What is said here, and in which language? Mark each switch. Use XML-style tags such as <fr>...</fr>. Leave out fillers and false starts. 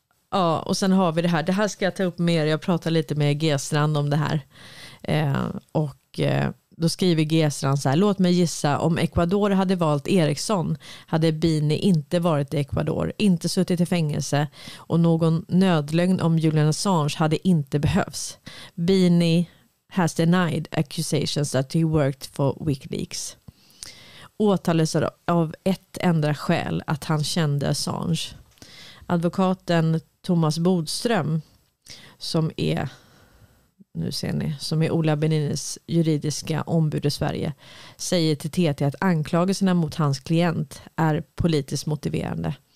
<sv>Ja, Och sen har vi det här. Det här ska jag ta upp mer. Jag pratar lite med Gestrand om det här. Och då skriver Gestrand så här: låt mig gissa, om Ecuador hade valt Ericsson hade Bini inte varit i Ecuador, inte suttit i fängelse, och någon nödlögn om Julian Assange hade inte behövs.</sv> <en>Bini has denied accusations that he worked for WikiLeaks.</en> <sv>Åtalades av ett enda skäl, att han kände Assange. Advokaten Thomas Bodström, som är, nu ser ni, som är Ola Beninis juridiska ombud i Sverige, säger till TT att anklagelserna mot hans klient är politiskt motiverande.</sv>